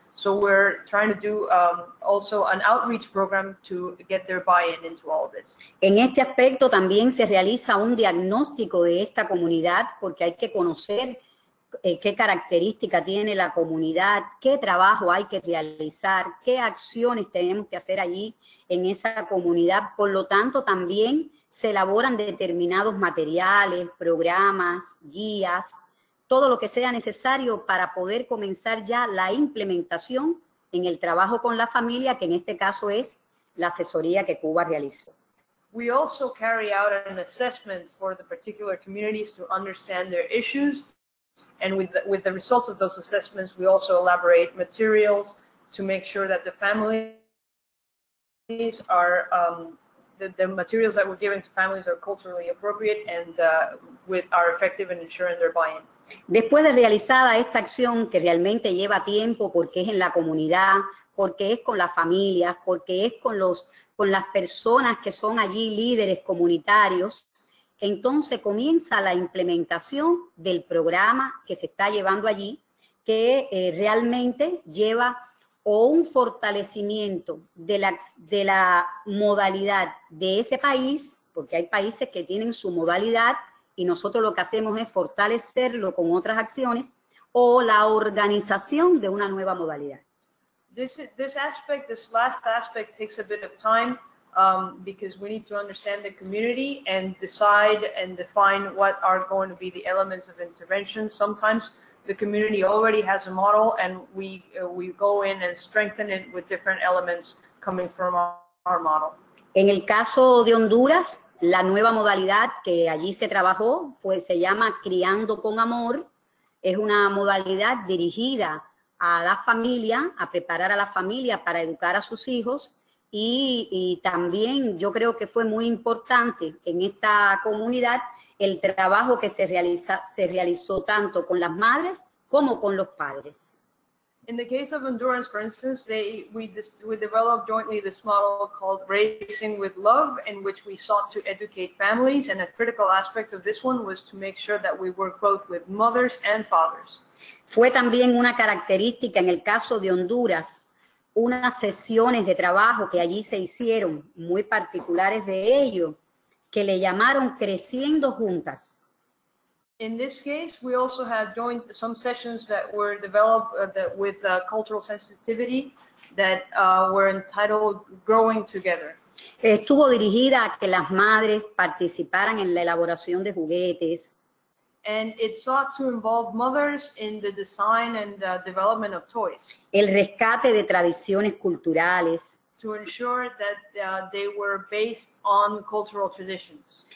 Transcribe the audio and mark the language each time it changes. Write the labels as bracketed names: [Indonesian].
[English] So we're trying to do also an outreach program to get their buy-in into all this. [Spanish] En este aspecto también se realiza un diagnóstico de esta comunidad porque hay que conocer qué característica tiene la comunidad, qué trabajo hay que realizar, qué acciones tenemos que hacer allí en esa comunidad. Por lo tanto, también se elaboran determinados materiales, programas, guías, todo lo que sea necesario para poder comenzar ya la implementación en el trabajo con la familia, que en este caso es la asesoría que Cuba realizó. [English] We also carry out an assessment for the particular communities to understand their issues, And with the results of those assessments, we also elaborate materials to make sure that the families are, the materials that we're giving to families are culturally appropriate and with are effective in ensuring their buy-in. [Spanish] Después de realizada esta acción, que realmente lleva tiempo porque es en la comunidad, porque es con las familias, porque es con los con las personas que son allí líderes comunitarios, entonces comienza la implementación del programa que se está llevando allí, que realmente lleva o un fortalecimiento de la modalidad de ese país, porque hay países que tienen su modalidad y nosotros lo que hacemos es fortalecerlo con otras acciones, o la organización de una nueva modalidad. [English] This aspect, this last aspect takes a bit of time because we need to understand the community and decide and define what are going to be the elements of intervention. Sometimes the community already has a model and we go in and strengthen it with different elements coming from our model. [Spanish] En el caso de Honduras, la nueva modalidad que allí se trabajó pues se llama Criando con Amor. Es una modalidad dirigida a la familia, a preparar a la familia para educar a sus hijos y también yo creo que fue muy importante en esta comunidad el trabajo que se realizó tanto con las madres como con los padres. [English] In the case of Honduras, for instance, we developed jointly this model called Raising with Love, in which we sought to educate families, and a critical aspect of this one was to make sure that we work both with mothers and fathers. [Spanish] Fue también una característica en el caso de Honduras, unas sesiones de trabajo que allí se hicieron, muy particulares de ello, que le llamaron Creciendo Juntas. [English] In this case, we also had joined some sessions that were developed with cultural sensitivity that were entitled Growing Together. [Spanish] Estuvo dirigida a que las madres participaran en la elaboración de juguetes. [English] And it sought to involve mothers in the design and the development of toys. [Spanish] El rescate de tradiciones culturales. [English] To ensure that they were based on cultural traditions.